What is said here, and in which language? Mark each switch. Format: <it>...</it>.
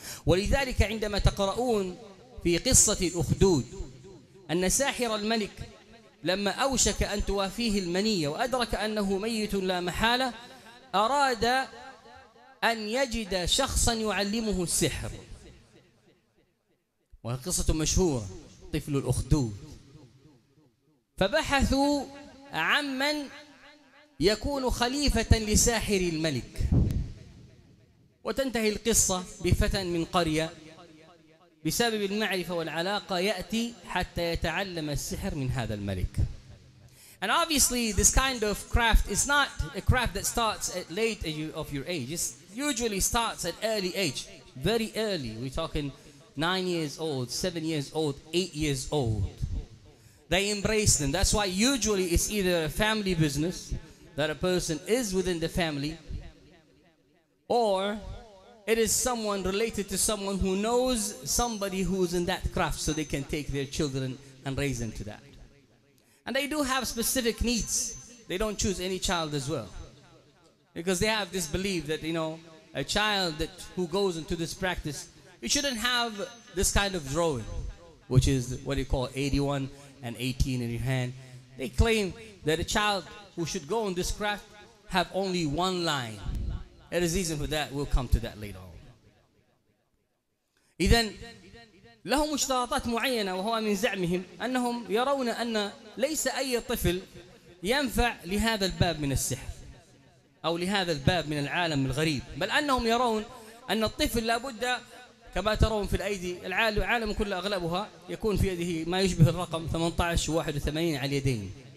<ar>ولذلك عندما تقرؤون في قصة الأخدود أن ساحر الملك لما أوشك أن توافيه المنية وأدرك أنه ميت لا محالة أراد أن يجد شخصا يعلمه السحر, وقصة مشهورة طفل الأخدود, فبحثوا عمن يكون خليفة لساحر الملك. وتنتهي القصة بفتى من قرية بسبب المعرفة والعلاقة يأتي حتى يتعلم السحر من هذا الملك.</ar> <en>And obviously this kind of craft is not a craft that starts at late of your age. It usually starts at early age, very early. We're talking 9 years old, 7 years old, 8 years old. They embrace them. That's why usually it's either a family business that a person is within the family, or it is someone related to someone who knows somebody who's in that craft, so they can take their children and raise them to that. And they do have specific needs. They don't choose any child as well, because they have this belief that, you know, a child that who goes into this practice, you shouldn't have this kind of drawing, which is what you call 81 and 18 in your hand. They claim that a child who should go in this craft have only one line. It is easy for that. We'll come to that later on.</en> <ar>إذن لهم اشتراطات معينة, وهو من زعمهم أنهم يرون أن ليس أي طفل ينفع لهذا الباب من السحر أو لهذا الباب من العالم الغريب, بل أنهم يرون أن الطفل لابد, كما ترون في الأيدي العالم كل أغلبها يكون في يده ما يشبه الرقم 18 و81 على اليدين.</ar>